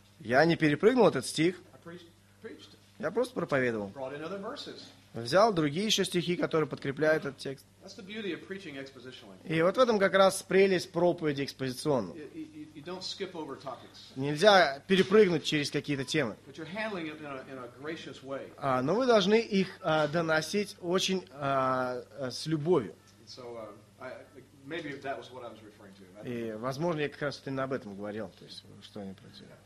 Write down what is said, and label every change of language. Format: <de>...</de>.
<ru>Я не перепрыгнул этот стих.</ru> <en>I preached.</en> <ru>Я просто проповедовал.</ru> <en>Brought in other verses.</en> <ru>Взял другие еще стихи, которые подкрепляют этот текст.</ru> <en>That's the beauty of preaching expositionally.</en> <ru>И вот в этом как раз прелесть проповеди экспозиционной.</ru> <en>You don't skip over topics.</en> <ru>Нельзя перепрыгнуть через какие-то темы.</ru> <en>But you're handling it in a gracious way.</en> <ru>Но вы должны их доносить очень с любовью.</ru> <en>So, maybe that was what I was referring to.</en> <ru>И, возможно, я как раз именно об этом говорил, то есть что они против.</ru>